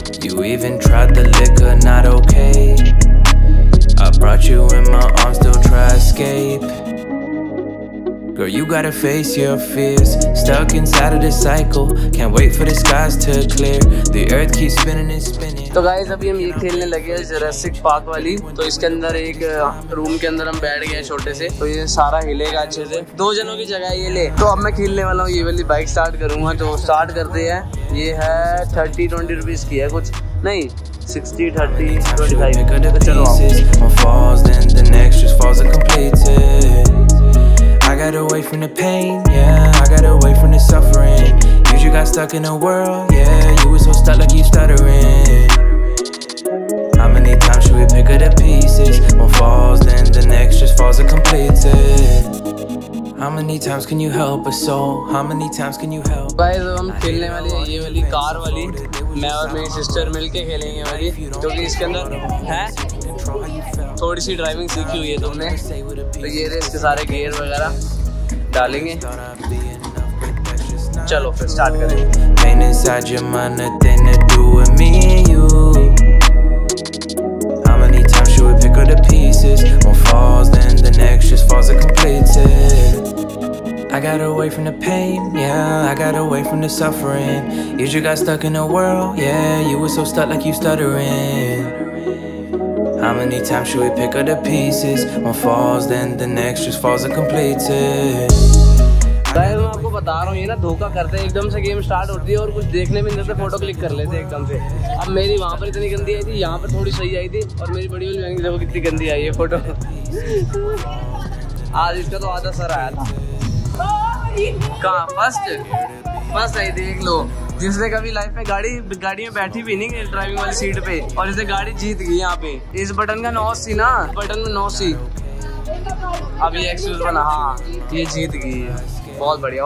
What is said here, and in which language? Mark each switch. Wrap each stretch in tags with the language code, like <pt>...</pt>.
<en>You even tried the liquor, not okay. I brought you in my arms, don't try escape. Girl, you gotta face your fears. Stuck inside of this cycle. Can't wait for the skies to clear. The earth keeps spinning and spinning.</en> <hi>तो guys अभी हम ये खेलने लगे हैं Jurassic park वाली, तो इसके अंदर एक रूम के अंदर हम बैठ गए हैं छोटे से, तो ये सारा हिलेगा अच्छे से, दो जनों की जगह ये ले। तो अब मैं खेलने वाला हूँ ये वाली, बाइक स्टार्ट करूंगा, तो स्टार्ट करते हैं। ये है 30-20 rupees की है, कुछ नहीं 60-30-25.</hi> <en>I got away from the pain, yeah, I got away from the suffering. You just got stuck in a world, yeah, you were so stuck like you stuttering. How many times should we pick up the pieces? One falls, then the next just falls and completes it. How many times can you help a soul? How many times can you help?</en> <hi>Guys, अब हम खेलने वाले हैं ये वाली car वाली, मैं और मेरी सिस्टर मिलके खेलेंगे वाली, क्योंकि इसके अंदर है थोड़ी सी ड्राइविंग सीखी हुई है तुमने, तो ये रे इसके सारे गियर वगैरह डालेंगे। चलो फिर स्टार्ट करें।</hi> <en>Pain inside your mind, nothing to do with me and you. How many times should we pick up the pieces? One falls, then the next just falls and completes it. I got away from the pain, yeah, I got away from the suffering. You just got stuck in a world, yeah, you were so stuck like you stuttering. How many times should we pick up the pieces? One falls, then the next just falls and completes it.</en> <hi>मैं आपको बता रहा हूँ ये ना धोखा करते हैं, एकदम से गेम स्टार्ट होती है और कुछ देखने में जैसे फोटो क्लिक कर लेते हैं एकदम से। अब मेरी वहाँ पर इतनी गंदी आई थी, यहाँ पर थोड़ी सही आई थी, और मेरी बड़ी वाली बहन की देखो कितनी गंदी आई है फोटो। आज इसका तो आधा सर आया था कहाँ, फर्स्ट आई थी। एक लोग जिसने कभी लाइफ में गाड़ी में बैठी भी नहीं ड्राइविंग वाली सीट पे, और जिसे गाड़ी जीत गई यहाँ पे, इस बटन का नॉस थी ना, बटन में नॉस थी, अब ये एक्सक्यूज बना, हाँ ये जीत गई है, बहुत बढ़िया।</hi>